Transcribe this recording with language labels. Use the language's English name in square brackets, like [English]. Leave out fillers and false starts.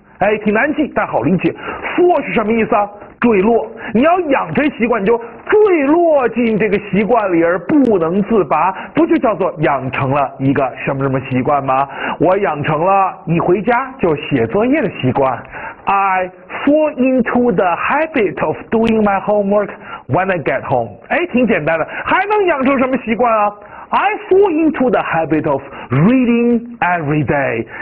[Chinese] 哎，挺难记，但好理解。fall 是什么意思啊？坠落。你要养成习惯，你就坠落进这个习惯里而不能自拔，不就叫做养成了一个什么什么习惯吗？我养成了一回家就写作业的习惯。 [English] I fall into the habit of doing my homework when I get home. [Chinese] 哎，挺简单的，还能养成什么习惯啊？ [English] I fall into the habit of reading every day.